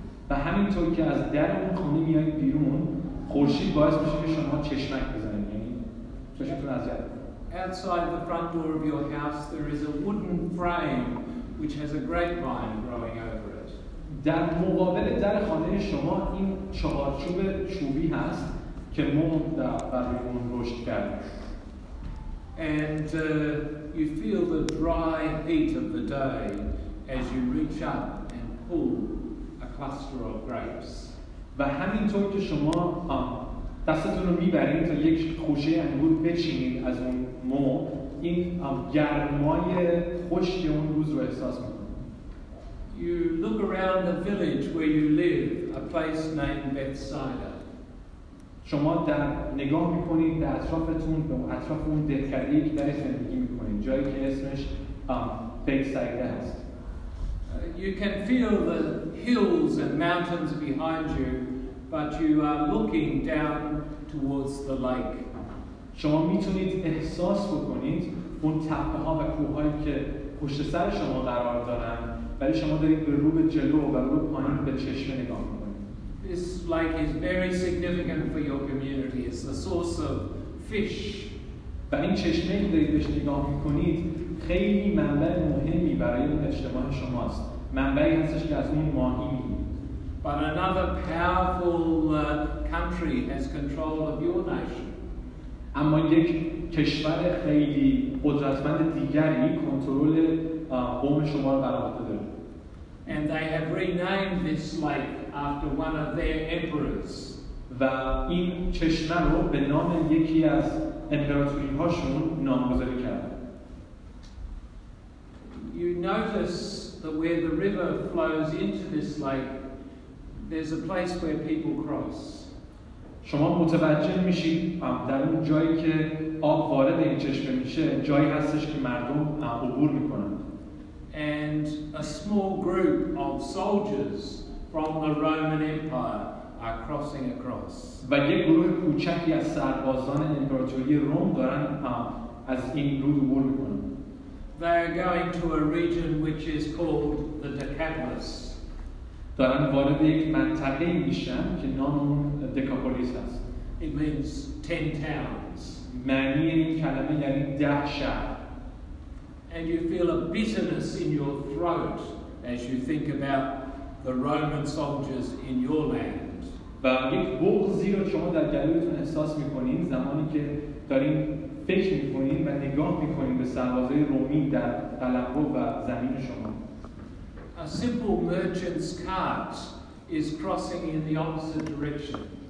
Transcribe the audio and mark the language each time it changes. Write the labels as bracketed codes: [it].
[fa] و همینطور که از در اون خانه میایید بیرون، خورشید باعث میشه که شما چشمک بزنید. یعنی چشمتون از یاد. [en] Outside the front door of your house, there is a wooden frame which has a grapevine growing over it. [fa] در مقابل در خانه شما این چهارچوب چوبی هست که مرغ در برای اون رشد کرده. [en] And you feel the dry heat of the day as you reach up and pull a cluster of grapes. [fa] و همینطور که شما دستتون رو میبرید تا یک خوشه انگور بچینید از اون مو، این گرمای خشک اون روز رو احساس میکنید. [en] You look around the village where you live, a place named Bethsaida. [fa] شما در نگاه میکنید به اطرافتون، به اطراف اون دهکده‌ای که در زندگی میکنید، جایی که اسمش بتسایده هست. [en] You can feel the hills and mountains behind you, but you are looking down towards the lake. [fa] شما میتونید احساس بکنید اون تپه ها و کوههایی که پشت سر شما قرار دارن، ولی شما دارید به رو به جلو و رو به پایین به چشمه نگاه میکنید. [en] This lake is very significant for your community. It's a source of fish. [fa] و این چشمه که دارید بهش نگاه میکنید خیلی منبع مهمی برای اون اجتماع شماست. منبعی هستش که از اون ماهی میگیرید. [en] But another powerful country has control of your nation. [fa] اما یک کشور خیلی قدرتمند دیگری کنترل قوم شما رو بر عهده داره. [en] And they have renamed this lake after one of their emperors. [fa] و این چشمه رو به نام یکی از امپراتوری هاشون نامگذاری کردن. [en] You notice that where the river flows into this lake, there's a place where people cross. [fa] شما متوجه میشید در اون جایی که آب وارد این چشمه میشه، جایی هستش که مردم عبور میکنن. [en] And a small group of soldiers from the Roman Empire are crossing across. [fa] و یک گروه کوچکی از سربازان امپراتوری روم دارن از این رود عبور میکنن. [en] They are going to a region which is called the Decapolis. [fa] دارن وارد یک منطقه میشن که نام اون دکاپولیس هست. [en] It means 10 towns. [fa] معنی این کلمه یعنی 10 شهر. [en] And you feel a bitterness in your throat as you think about the Roman soldiers in your land. [fa] و یک بغضی رو شما در گلویتون احساس میکنین زمانی که دارین فکر میکنین و نگاه میکنین به سربازای رومی در قلمرو و زمین شما. [en] A simple merchant's cart is crossing in the opposite direction.